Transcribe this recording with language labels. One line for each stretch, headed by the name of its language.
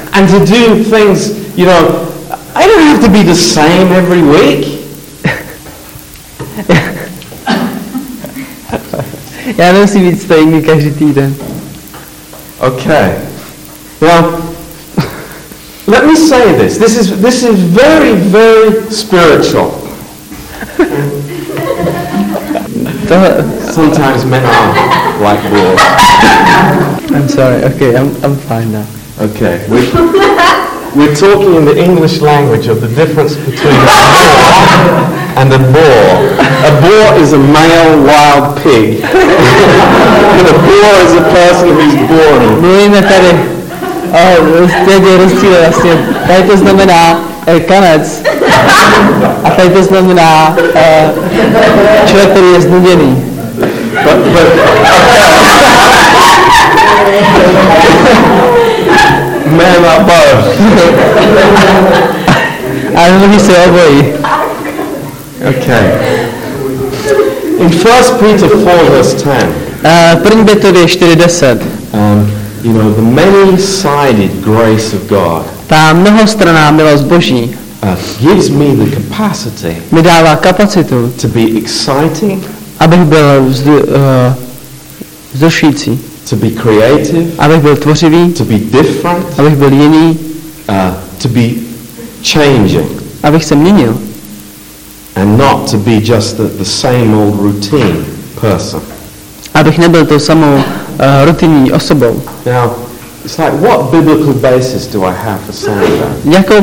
English: And to do things, you know, I don't have to be the same every week.
Czech: Já nemusím být stejný každý týden.
English: Okay. Well, let me say this. This is very, very spiritual. Sometimes men are like bulls. I'm sorry. Okay, I'm fine now. Okay. We're talking in the English language of the difference between a boar and a boar. A boar is a male wild pig. And a boar is a person who's born.
Czech: Mluvíme tady. Oh, teď je rozdíl vlastně. Tady to znamená kanec. A tady to znamená člověk, který je znuděný.
English: Man up both. I don't know if you say that. Okay. In 1 Peter 4 verse 10.
Czech: První Petrově 4:10.
English: You know, the many-sided grace of God.
Czech: Ta mnohostranná milost Boží.
English: Gives me the capacity.
Czech: Mi dává kapacitu.
English: To be exciting.
Czech: Abych byl vzrušující.
English: To be creative.
Czech: Abych byl tvořivý.
English: To be different.
Czech: Abych byl jiný.
English: To be changing.
Czech: Abych se měnil.
English: And not to be just the same old routine person.
Czech: Abych nebyl tou samou rutinní osobou.
English: Now, it's like, what biblical basis do I have for saying that?